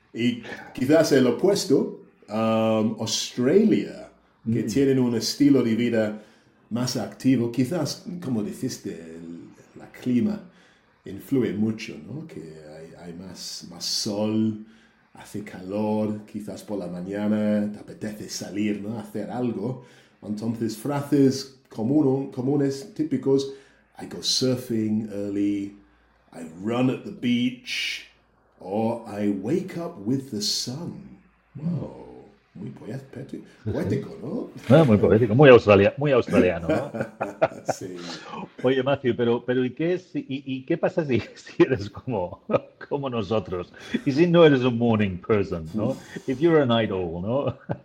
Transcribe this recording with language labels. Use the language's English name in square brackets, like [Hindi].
[Spanish] Y quizás el opuesto, Australia, que tienen un estilo de vida más activo, quizás, como dijiste, la clima influye mucho, ¿no? Que hay más sol, hace calor, quizás por la mañana te apetece salir, ¿no? Hacer algo. Entonces, frases comunes, típicos. [English] I go surfing early, I run at the beach, or I wake up with the sun. [Spanish] Wow, muy Sí. poético, Ah, muy poético, muy australiano, ¿no? ¿no? Sí. Oye, Matthew, pero ¿y qué es, y qué pasa si eres como nosotros? Y si no eres un [English] morning person, [Spanish] ¿no? Uf. [English] If you're a night owl, ¿no?